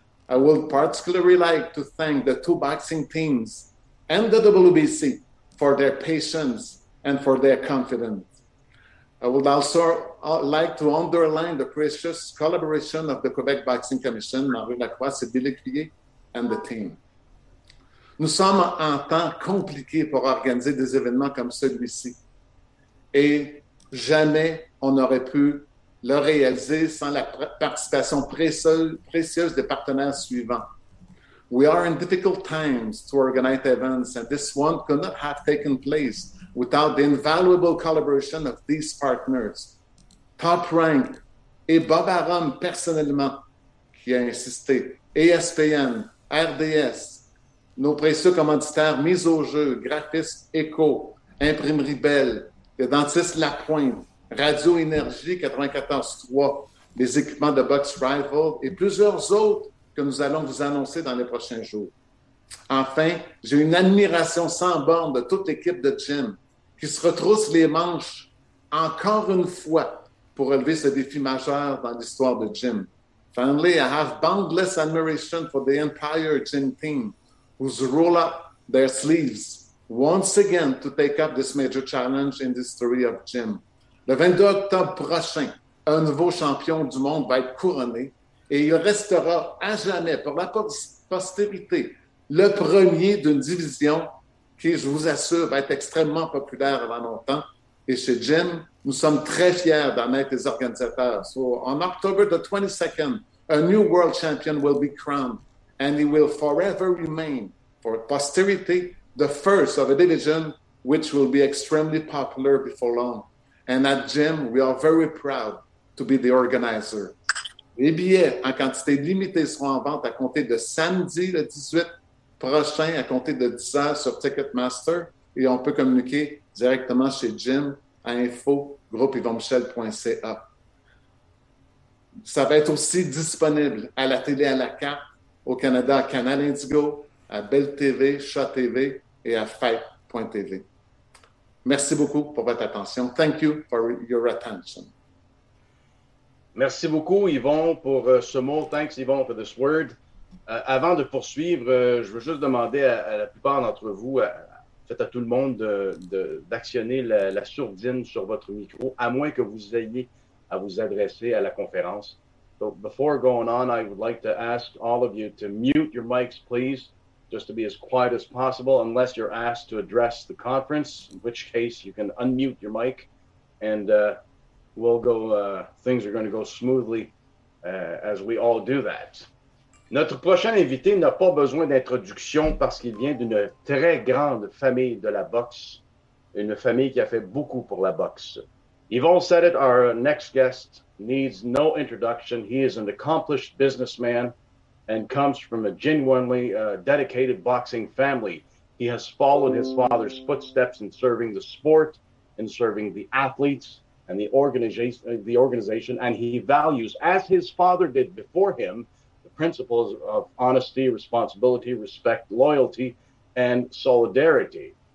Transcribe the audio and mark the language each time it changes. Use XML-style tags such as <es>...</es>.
<en>I would particularly like to thank the two boxing teams and the WBC for their patience and for their confidence. I would also like to underline the precious collaboration of the Quebec Boxing Commission, Marie Lacroix, Sylvie Lécuyer, and the team.</en> <fr>Nous sommes en temps compliqué pour organiser des événements comme celui-ci. Et jamais on n'aurait pu le réaliser sans la participation précieuse des partenaires suivants.</fr> <en>We are in difficult times to organize events, and this one could not have taken place without the invaluable collaboration of these partners.</en> <fr>Top Rank et Bob Arum personnellement qui a insisté, ESPN, RDS, nos précieux commanditaires Mise au jeu, Graphisme Echo, Imprimerie Belle, le dentiste Lapointe, Radio Énergie 94.3, les équipements de Box Rival et plusieurs autres que nous allons vous annoncer dans les prochains jours. Enfin, j'ai une admiration sans borne de toute l'équipe de Jim qui se retrousse les manches encore une fois pour relever ce défi majeur dans l'histoire de Jim.</fr> <en>Finally, I have boundless admiration for the entire Jim team who roll up their sleeves once again to take up this major challenge in the history of Jim.</en> <fr>Le 22 octobre prochain, un nouveau champion du monde va être couronné et il restera à jamais pour la postérité le premier d'une division qui, je vous assure, va être extrêmement populaire avant longtemps. Et chez Jim, nous sommes très fiers d'en être les organisateurs.</fr> <en>So, on October the 22nd, a new world champion will be crowned and he will forever remain for posterity the first of a division which will be extremely popular before long. And at Jim, we are very proud to be the organizer.</en> <fr>Les billets en quantité limitée seront en vente à compter de samedi le 18 prochain, à compter de 10 heures sur Ticketmaster. Et on peut communiquer directement chez Jim à info.groupeyvonmichel.ca. Ça va être aussi disponible à la télé à la carte au Canada, à Canal Indigo, à Bell TV, Chat TV et à Fight.tv. Merci beaucoup pour votre attention.</fr> <en>Thank you for your attention.</en> <fr>Merci beaucoup, Yvon, pour ce mot.</fr> <en>Thanks, Yvon, for this word.</en> <fr>Avant de poursuivre, je veux juste demander à la plupart d'entre vous, faites à tout le monde, d'actionner la sourdine sur votre micro, à moins que vous ayez à vous adresser à la conférence.</fr> <en>But before going on, I would like to ask all of you to mute your mics, please, just to be as quiet as possible, unless you're asked to address the conference, in which case you can unmute your mic, and we'll go, things are going to go smoothly as we all do that.</en> <fr>Notre prochain invité n'a pas besoin d'introduction parce qu'il vient d'une très grande famille de la boxe, une famille qui a fait beaucoup pour la boxe.</fr> <en>Yvon said it, our next guest needs no introduction. He is an accomplished businessman and comes from a genuinely dedicated boxing family. He has followed his father's footsteps in serving the sport, in serving the athletes and the organization, and he values, as his father did before him, the principles of honesty, responsibility, respect, loyalty, and solidarity.</en>